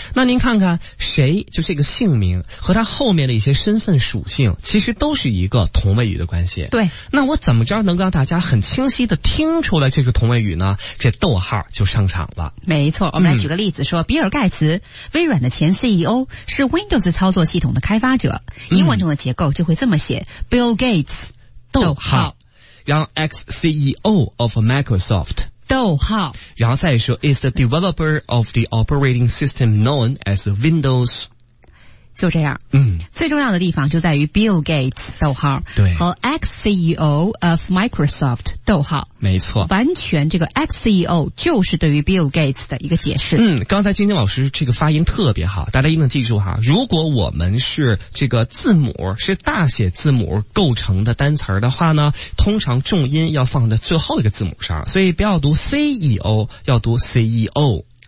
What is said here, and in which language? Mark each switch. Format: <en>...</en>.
<zh>那您看看谁，就这个姓名和他后面的一些身份属性，其实都是一个同位语的关系。对，那我怎么着能让大家很清晰的听出来这个同位语呢？这逗号就上场了。没错，我们来举个例子说、嗯、比尔盖茨，微软的前 CEO， 是 Windows 操作系统的开发者。英文中的结构就会这么写、嗯、Bill Gates 逗号，然后</zh> <en>ex-CEO of Microsoft</en> <zh>逗号，然后再说</zh> <en>is the developer of the operating system known as Windows。</en> <zh>就这样，嗯，最重要的地方就在于 Bill Gates 逗号，对，和 ex-CEO of Microsoft 逗号，没错，完全这个 ex-CEO 就是对于 Bill Gates 的一个解释。嗯，刚才晶晶老师这个发音特别好，大家一定记住哈，如果我们是这个字母是大写字母构成的单词的话呢，通常重音要放在最后一个字母上，所以不要读 CEO， 要读 CEO。</zh>